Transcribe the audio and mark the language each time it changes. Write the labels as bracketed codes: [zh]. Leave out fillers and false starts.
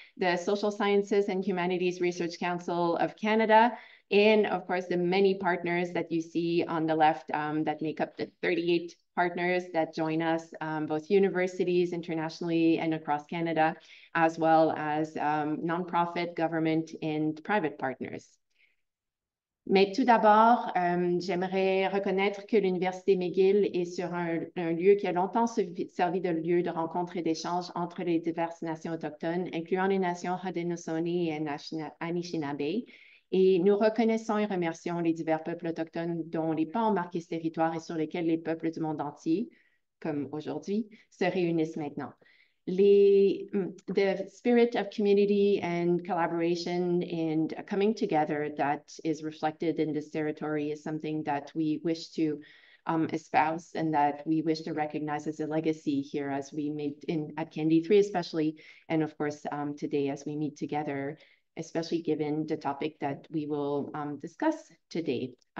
[en] The Social Sciences and Humanities Research Council of Canada, and of course, the many partners that you see on the left that make up the 38 partners that join us, both universities internationally and across Canada, as well as nonprofit, government, and private partners. [fr] Mais tout d'abord, j'aimerais reconnaître que l'Université McGill est sur un lieu qui a longtemps servi de lieu de rencontre et d'échange entre les diverses nations autochtones, incluant les nations Haudenosaunee et Anishinaabe. Et nous reconnaissons et remercions les divers peuples autochtones dont les pas ont marqué ce territoire et sur lesquels les peuples du monde entier, comme aujourd'hui, se réunissent maintenant. [en] The spirit of community and collaboration and coming together that is reflected in this territory is something that we wish to espouse and that we wish to recognize as a legacy here as we meet in at CAnD3 especially, and of course today as we meet together, especially given the topic that we will discuss today.